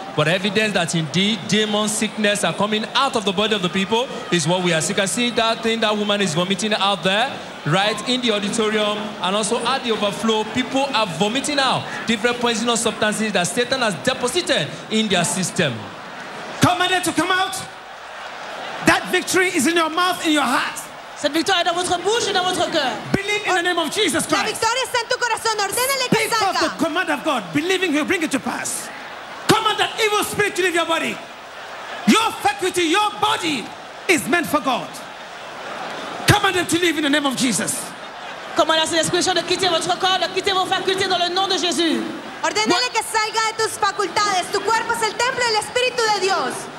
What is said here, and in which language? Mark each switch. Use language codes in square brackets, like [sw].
[en] But evidence that indeed demon sickness are coming out of the body of the people is what we are seeing. You can see that thing that woman is vomiting out there, right in the auditorium, and also at the overflow, people are vomiting out different poisonous substances that Satan has deposited in their system. Commanded to come out. That victory is in your mouth, in your heart. [fr] Cette victoire est dans votre bouche et dans votre cœur. [en] Believe in the name of Jesus Christ. [fr] La victoire est en ton [es] corazón. Ordénale que salga. [en] Speak of the command of God. Believing he'll bring it to pass. Command that evil spirit to leave your body. Your faculty, your body is meant for God. Command them to leave in the name of Jesus. [fr] Commandez à ces esprits de quitter votre corps, de quitter vos facultés dans le nom de Jésus. [es] Ordénale que salga de tus facultades. Tu cuerpo es el templo del Espíritu de Dios.